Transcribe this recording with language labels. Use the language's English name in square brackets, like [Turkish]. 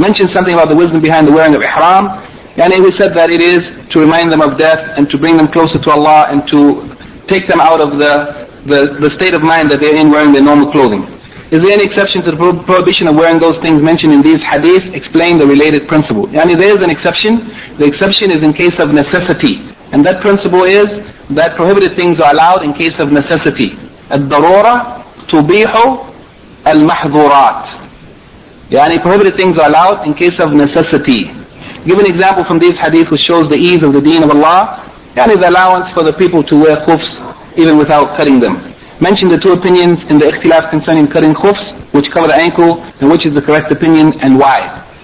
[English] Mention something about the wisdom behind the wearing of ihram. And we said that it is to remind them of death and to bring them closer to Allah and to take them out of the state of mind that they're in wearing their normal clothing. Is there any exception to the prohibition of wearing those things mentioned in these hadith? Explain the related principle. Yani there is an exception. The exception is in case of necessity. And that principle is that prohibited things are allowed in case of necessity. [Arabic] الضرورة تبيح المحظورات. [English] Yani prohibited things are allowed in case of necessity. Give an example from these hadith which shows the ease of the deen of Allah and is allowance for the people to wear khufs even without cutting them. Mention the two opinions in the ikhtilaf concerning cutting khufs, which cover the ankle, and which is the correct opinion and why.